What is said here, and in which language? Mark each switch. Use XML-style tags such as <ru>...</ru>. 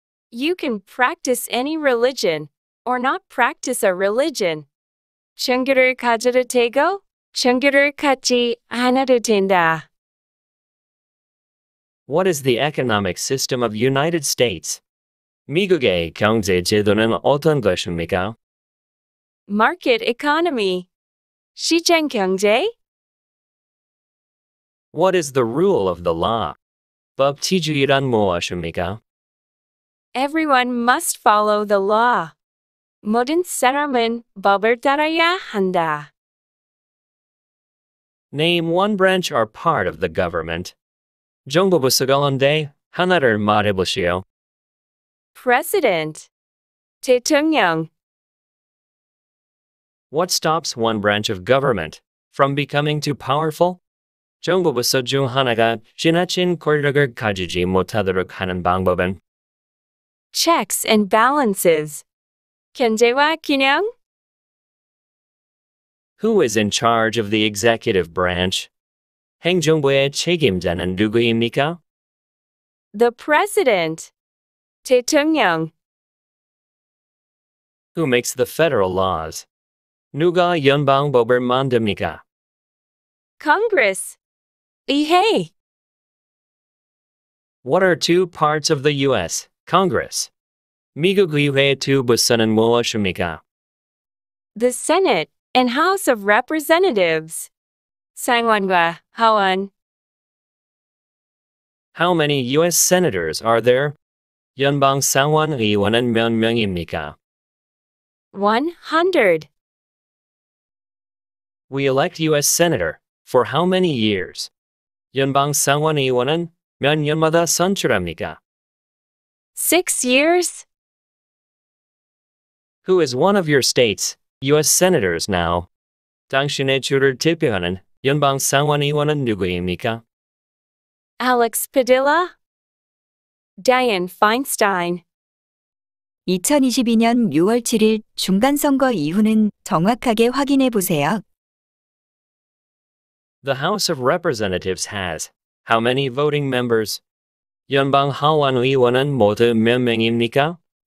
<en>You can practice any religion or not practice a religion.</en> <ko>종교를 가져도 되고, 종교를 갖지 않아도 된다.</ko> <en>What is the economic system of United States?</en> <ko>미국의 경제 제도는 어떤 것입니까?</ko> <en>Market economy.</en> <ko>시장 경제.</ko> <en>What is the rule of the law?</en> <ko>법 지주의란 무엇입니까?</ko> <en>Everyone must follow the law.</en> <ko>모든 사람은 법을 따라야 한다.</ko> <en>Name one branch or part of the government.</en> <ko>정부 부서가 있는데 하나를 말해보시오.</ko> <en>President.</en> <ko>대통령.</ko> <en>What stops one branch of government from becoming too powerful?</en> <ko>정부 부서 중 하나가 지나친 권력을 가지지 못하도록 하는 방법은?</ko> <en>Checks and balances.</en> <ko>견제와 균형.</ko> <en>Who is in charge of the executive branch?</en> <ko>행정부의 책임자는 누구입니까?</ko> <en>The President.</en> <ko>대통령.</ko> <en>Who makes the federal laws?</en> <ko>누가 연방법을 만듭니까?</ko> <en>Congress.</en> <ko>의회.</ko> <en>What are two parts of the U.S. Congress?</en> <ko>미국 의회 두 부서는 무엇입니까?</ko> <en>The Senate and House of Representatives.</en> <ko>상원과 하원.</ko> <en>How many U.S. Senators are there?</en> <ko>연방 상원 의원은 몇 명입니까?</ko> <en>100. We elect U.S. Senator for how many years?</en> <ko>연방 상원 의원은 몇 년마다 선출합니까?</ko> <en>6 years. Who is one of your state's U.S. Senators now?</en> <ko>당신의 주를 대표하는 연방 상원 의원은 누구입니까?</ko> <en>Alex Padilla, Dianne Feinstein.</en> <ko>2022년 6월 7일 중간선거 이후는 정확하게 확인해 보세요.</ko> <en>The House of Representatives has how many voting members?</en> <ko>연방 하원 의원은 모두 몇 명입니까?</ko>